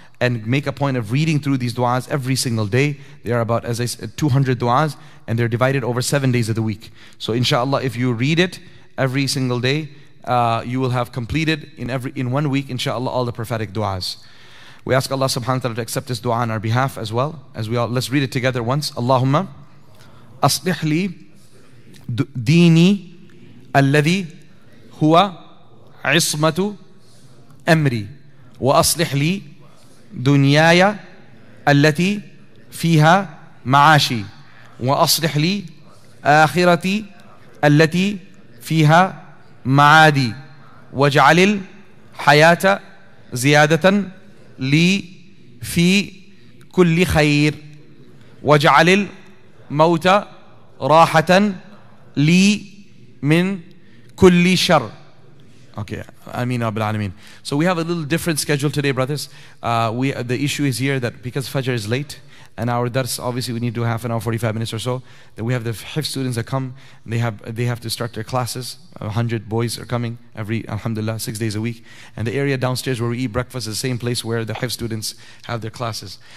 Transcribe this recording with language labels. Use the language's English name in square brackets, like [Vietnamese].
[English] And make a point of reading through these du'as every single day. They are about, as I said, 200 du'as, and they're divided over 7 days of the week. So inshallah, if you read it every single day, you will have completed in 1 week, inshallah, all the prophetic du'as. We ask Allah subhanahu wa ta'ala to accept this du'a on our behalf as well. Let's read it together once. [Arabic] Allahumma aslih li dini alladhi huwa ismatu amri wa aslih li دنيايا التي فيها معاشي وأصلح لي آخرتي التي فيها معادي واجعل الحياة زيادة لي في كل خير واجعل الموت راحة لي من كل شر. [English] Okay, Ameen, Rabbil Alameen. So we have a little different schedule today, brothers. The issue is here that because Fajr is late, and our dars, obviously we need to do half an hour, 45 minutes or so, that we have the Hifz students that come, and they have to start their classes. 100 boys are coming every, alhamdulillah, 6 days a week. And the area downstairs where we eat breakfast is the same place where the Hifz students have their classes.